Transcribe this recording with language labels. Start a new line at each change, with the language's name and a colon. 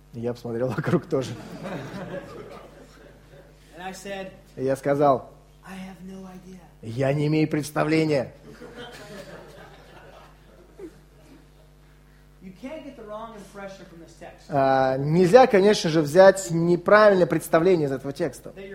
Russian: Я посмотрел вокруг тоже.
English: And I said,
Russian: и я сказал,
English: I have no idea.
Russian: Я не имею представления.
English: You can't get the wrong impression from this text.
Russian: Нельзя, конечно же, взять неправильное представление из этого текста.